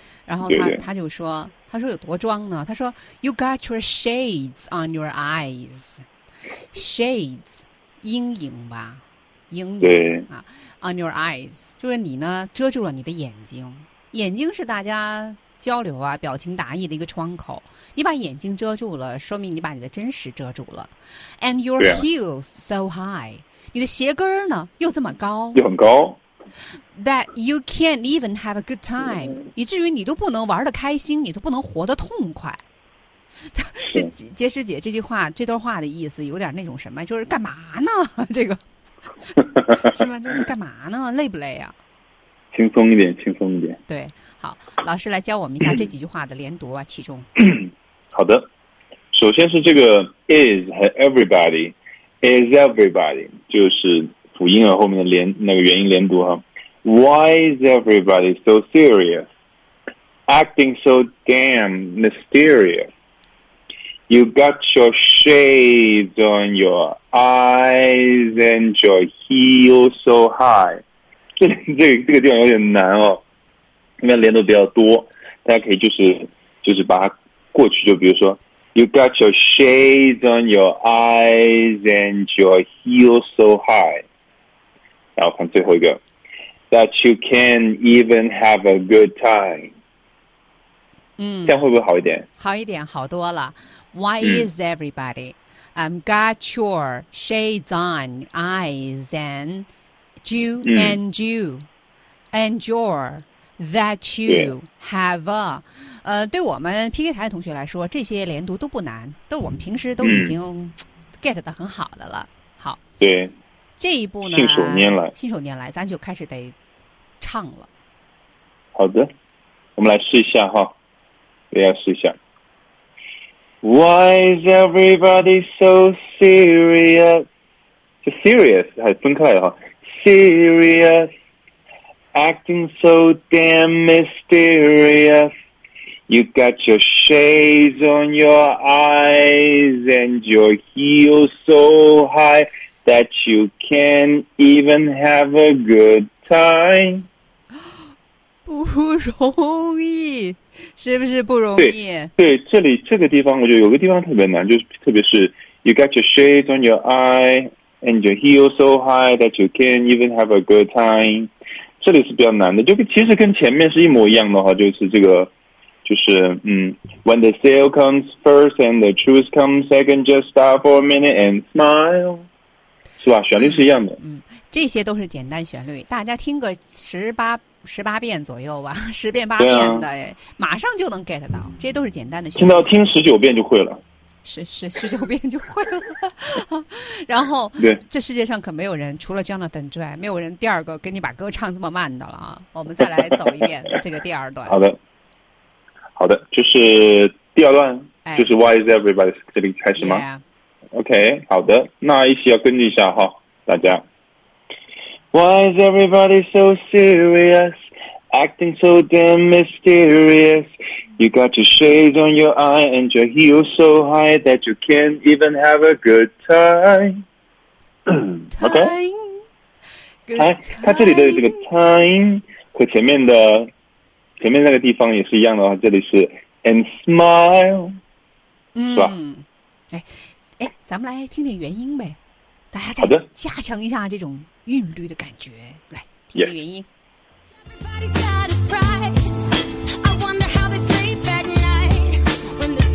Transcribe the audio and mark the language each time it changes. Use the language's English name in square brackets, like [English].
[Chinese] 然后他就说，他说有多装呢，他说 [English] You got your shades on your eyes， [Chinese] shades 阴影吧，阴影啊， on your eyes 就是你呢遮住了你的眼睛，眼睛是大家交流啊表情达意的一个窗口，你把眼睛遮住了，说明你把你的真实遮住了。 [English] And your heels so high， [Chinese] 你的鞋跟呢又这么高，又很高， [English] That you can't even have a good time， [Chinese] 以至于你都不能玩得开心，你都不能活得痛快。这杰师姐这句话，这段话的意思有点那种什么，就是干嘛呢，这个是吧，就是干嘛呢，累不累啊，轻松一点，轻松一点。对，好，老师来教我们一下这几句话的连读啊，其中。好的，首先是这个 is 和 everybody， is everybody 就是辅音和后面的连那个元音连读哈。 [English] Why is everybody so serious? Acting so damn mysterious. You got your shades on your eyes and your heels so high. [Chinese] 这个地方有点难哦，因为连读比较多，大家可以就是把它过去，就比如说 [English] You got your shades on your eyes and your heels so high， [Chinese] 然后看最后一个 [English] That you can't even have a good time， [Chinese] 嗯，这样会不会好一点？好一点，好多了。 [English] Why is everybody I've got your shades on eyes andYou and you and your that you have a [Chinese] 对我们 PK 台的同学来说，这些连读都不难，都我们平时都已经 get 得很好的了。好，对，这一步呢，信手拈来，信手拈来，咱就开始得唱了。好的，我们来试一下哈，也要试一下。 [English] Why is everybody so serious? [Chinese] Serious 还分开的哈。 [English] Serious, acting so damn mysterious. You got your shades on your eyes and your heels so high that you can't even have a good time. [Chinese] 不容易，是不是不容易？对，这里这个地方，我觉得有个地方特别难，就是特别是 [English] you got your shades on your eye. And your heels so high that you can't even have a good time. [Chinese] 这里是比较难的，就其实跟前面是一模一样的哈，就是这个，就是 [English] When the sale comes first and the truth comes second, just stop for a minute and smile. [Chinese] 是吧？旋律是一样的。嗯，这些都是简单旋律，大家听个十八遍左右吧，十遍八遍的，啊，马上就能 get 到。这些都是简单的旋律，听到听十九遍就会了。十九遍就会了。然后这世界上可没有人除了Jonathan之外，没有人第二个给你把歌唱这么慢的了啊！我们再来走一遍这个第二段。好的，好的，就是第二段，就是 [English] Why is everybody [Chinese] 这里开始吗 ？OK， 好的，那一起要跟进一下哈，大家。 [English] Why is everybody so serious? Acting so damn mysterious. You got your shades on your eye and your heels so high that you can't even have a good time. Okay. [Chinese] 它这里的这个 time 和前面那个地方也是一样的，这里是 [English] and smile. [Chinese] 是吧？哎，咱们来听点原音呗，大家再加强一下这种韵律的感觉，来听点原音。 [English] Everybody's got a price. I wonder how they sleep at night when